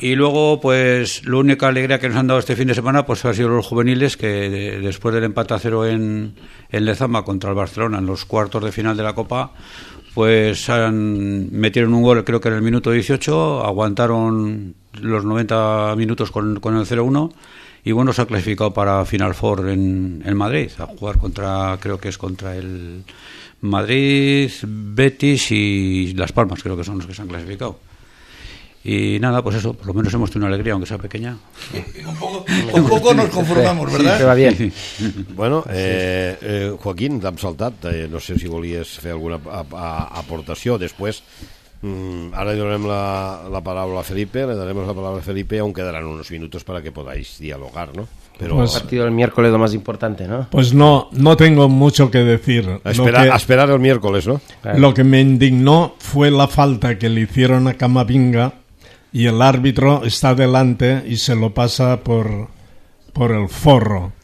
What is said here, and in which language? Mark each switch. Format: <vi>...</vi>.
<es>Y luego, pues, la única alegría que nos han dado este fin de semana, pues, ha sido los juveniles, que después del empate a 0 en Lezama contra el Barcelona, en los cuartos de final de la Copa, pues, metieron un gol, creo que en el minuto 18, aguantaron los 90 minutos con el 0-1, y bueno, se ha clasificado para Final Four en Madrid, a jugar contra, creo que es contra el Madrid, Betis y Las Palmas, creo que son los que se han clasificado. Y nada, pues eso, por lo menos hemos tenido una alegría, aunque sea pequeña. Un poco nos conformamos, ¿verdad? Sí, va bien.</es> <ca>Bueno, Joaquín, t'hem saltat, no sé si volies fer alguna aportació després.</ca> <es>Ahora le daremos la palabra a Felipe, aún quedarán unos minutos para que podáis dialogar, ¿no? Pero pues, el partido del miércoles es lo más importante, ¿no? Pues no, no tengo mucho que decir. A esperar el miércoles, ¿no? Lo que me indignó fue la falta que le hicieron a Camavinga y el árbitro está delante y se lo pasa por el forro.</es>